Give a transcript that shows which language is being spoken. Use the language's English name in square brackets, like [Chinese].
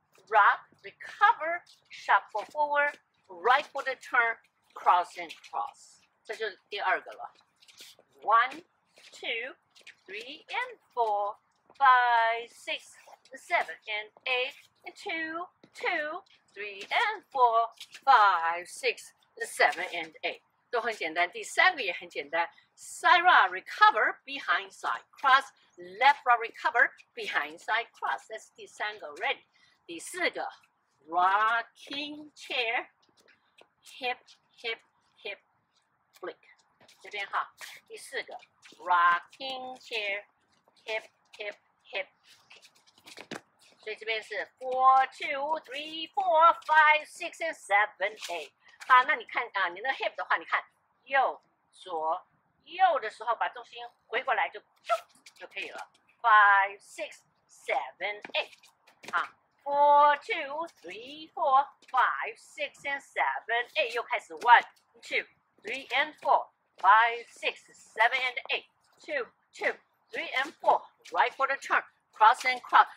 [English] Rock, recover, shuffle forward, right for the turn, cross and cross. [Chinese] 这就是第二个了。 [English] One, two, three, and four, five, six, seven, and eight. Two, two, three, and four, five, six, seven, and eight. [Chinese] 都很简单，第三个也很简单。 [English] Side recover behind side cross left rock recover behind side cross， [Chinese] 这是第三个 [English] ready。 [Chinese] 第四个 [English] rocking chair hip hip hip flick， [Chinese] 这边哈。第四个 [English] rocking chair hip hip hip， [Chinese] 所以这边是 [English] four two three four five six and seven eight。 [Chinese] 好，那你看啊，你那 hip 的话，你看右左右的时候，把重心回过来就可以了。 [English] Five, six, seven, eight. 啊 ，four, two, three, four, five, six, and seven, eight. [Chinese] 又开始 [English] one, two, three, and four, five, six, seven, and eight. Two, two, three, and four. Right for the turn. Cross and cross.